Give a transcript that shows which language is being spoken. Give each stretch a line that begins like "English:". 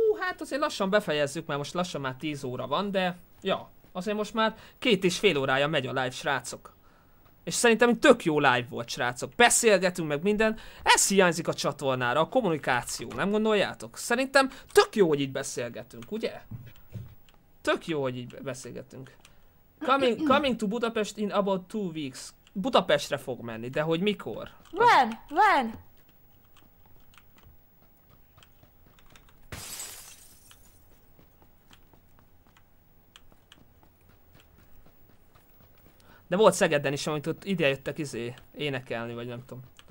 Hungarian: Hát azért lassan befejezzük, mert most lassan már 10 óra van, de... Ja, azért most már 2,5 órája megy a live, srácok. És szerintem tök jó live volt, srácok. Beszélgetünk meg minden. Ez hiányzik a csatornára, a kommunikáció, nem gondoljátok? Szerintem tök jó, hogy így beszélgetünk, ugye? Tök jó, hogy így beszélgetünk.
English: Coming to Budapest in about 2 weeks.
Hungarian: Budapestre fog menni, de hogy mikor?
English: When?
Hungarian: De volt Szegeden is, amit ott ide jöttek énekelni, vagy nem tudom.